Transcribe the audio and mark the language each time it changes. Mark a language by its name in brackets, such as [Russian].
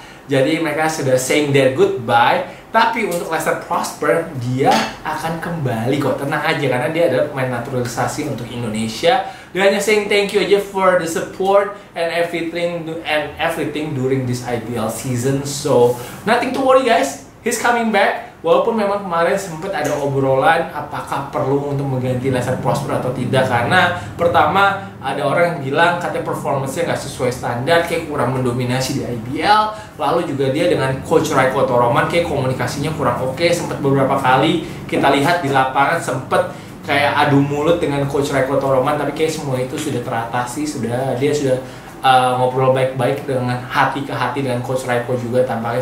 [Indonesian] Jadi mereka sudah [English] saying their goodbye. [Indonesian] Tapi untuk Lester Prosper, dia akan kembali kok. Tenang aja, karena dia adalah pemain naturalisasi untuk Indonesia. Dia hanya [English] saying thank you [Indonesian] aja [English] for the support and everything during this IBL season. So, nothing to worry guys. He's coming back. [Indonesian] walaupun memang kemarin sempat ada obrolan apakah perlu untuk mengganti Lesar Prosper atau tidak, karena pertama ada orang yang bilang katanya performance-nya nggak sesuai standar, kayak kurang mendominasi di IBL, lalu juga dia dengan coach Raiko Toroman kayak komunikasinya kurang oke, sempat beberapa kali kita lihat di lapangan sempat kayak adu mulut dengan coach Raiko Toroman, tapi kayak semua itu sudah teratasi, sudah dia sudah ngobrol baik-baik dengan hati ke hati dengan coach Raiko juga tampaknya.